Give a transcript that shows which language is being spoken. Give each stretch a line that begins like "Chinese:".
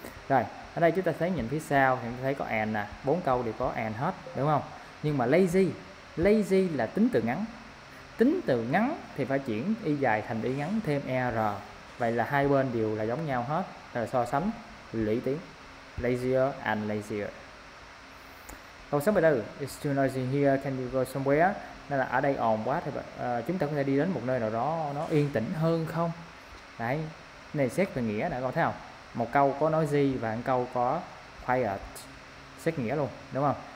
Vietnamese: Rồi, ở đây chúng ta thấy nhìn phía sau thì thấy có and nè, bốn câu đều có and hết, đúng không? Nhưng mà lazy, lazy là tính từ ngắn. Tính từ ngắn thì phải chuyển y dài thành y ngắn thêm er. Vậy là hai bên đều là giống nhau hết, là so sánh lũy tiến.
English: Lazier and lazier.
Vietnamese: Câu số 14,
English: it's too noisy here, can you go somewhere?
Vietnamese: Nên là ở đây ồn quá thì chúng ta có thể đi đến một nơi nào đó nó yên tĩnh hơn không? Đấy, này xét về nghĩa đã, con thấy không? Một câu có nói gì và một câu có quiet, xét nghĩa luôn, đúng không?